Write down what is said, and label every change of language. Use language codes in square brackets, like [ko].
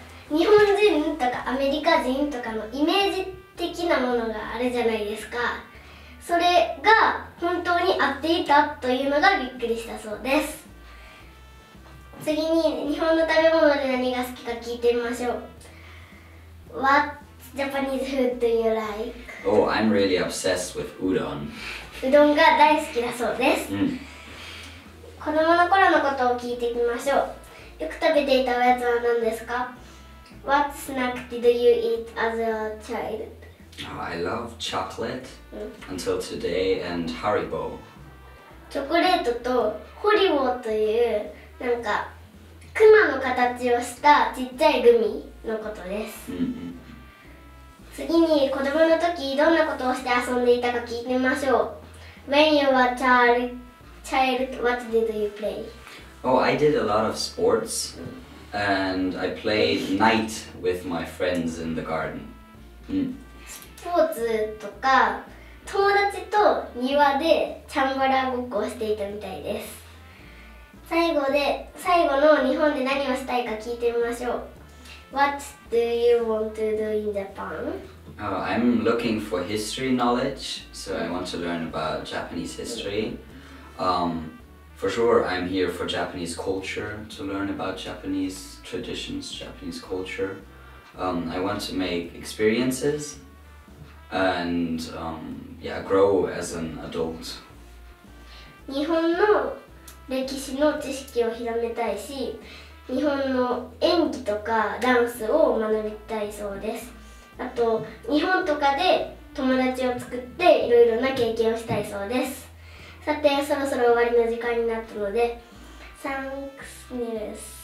[ja] 日本人とかアメリカ人とかのイメージ的なものがあるじゃないですか。それが本当に合っていたというのがびっくりしたそうです。次に日本の食べ物で何が好きか聞いてみましょう。 [en] What? Japanese food do you like? Oh, I'm really obsessed with udon. [ja] Udon が大好きだそうです。子供の頃のことを聞いてみましょう。よく食べていたおやつは何ですか? [en] What snack did you eat as a child? Oh, I love chocolate until today and Haribo. [ja] チョコレートとホリボーというなんかクマの形をしたちっちゃいグミのことです。次に子供の時どんなことをして遊んでいたか聞いてみましょう。 [en] When you were child, what did you play? Oh, I did a lot of sports and I played night with my friends in the garden. [ja] スポーツとか友達と庭でチャンバラごっこをしていたみたいです。最後の日本で何をしたいか聞いてみましょう。 [en] What do you want to do in Japan? Oh, I'm looking for history knowledge, so I want to learn about Japanese history. For sure, I'm here for Japanese culture, to learn about Japanese traditions, Japanese culture. I want to make experiences and grow as an adult. [ja] 日本の歴史の知識を広めたいし、日本の演技とかダンスを学びたいそうです。あと日本とかで友達を作っていろいろな経験をしたいそうです。さてそろそろ終わりの時間になったので、 [en] Thanks Niels.